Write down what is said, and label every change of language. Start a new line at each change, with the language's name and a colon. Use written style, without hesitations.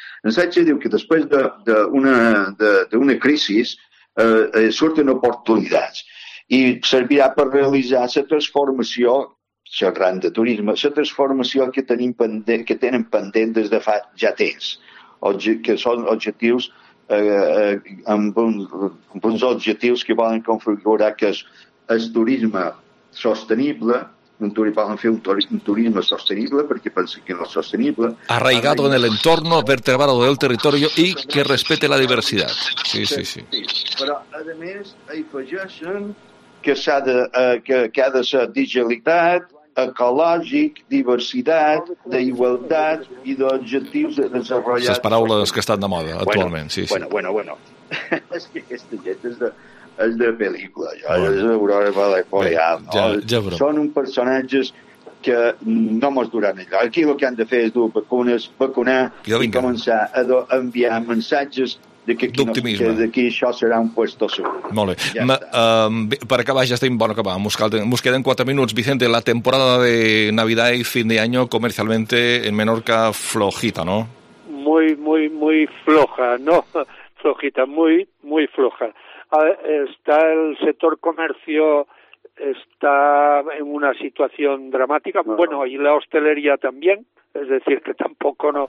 Catalan: En Sánchez diu que després d'una crisi surten oportunitats, i servirà per realitzar la transformació, xerrant de turisme, la transformació que tenen pendent des de fa ja temps, que són objectius amb uns objectius que volen configurar que és el turisme sostenible. Volen fer un turisme sostenible, perquè pensen que no és sostenible.
Spanish: Arraigado en el entorno, vertebrado del territorio y que respete la diversidad.
Catalan: Sí, sí, sí. Sí. Però, a més, hi afegeixen que ha de ser digitalitat, ecològic, diversitat, d'igualtat i d'objectius de desenvolupar... Les paraules que estan de moda, bueno, actualment. Sí, bueno. És que aquesta gent és de pel·lícula, allò, és d'Aurora Valefoyal. Són uns personatges que no mos duran allò. Aquí el que han de fer és dur vacunes, vacunar i començar a enviar missatges d'optimisme. D'aquí això serà un puesto segur. Molt bé. Per acabar, ja estem... Bueno, acabar. Mos queden 4 minuts.
Spanish: Vicente, la temporada de Navidad y fin de año comercialmente en Menorca flojita, ¿no? Muy, muy, muy floja, ¿no? flojita, muy, muy floja. Está el sector comercio, está en una situación dramática, bueno, y la hostelería también, es decir, que tampoco no...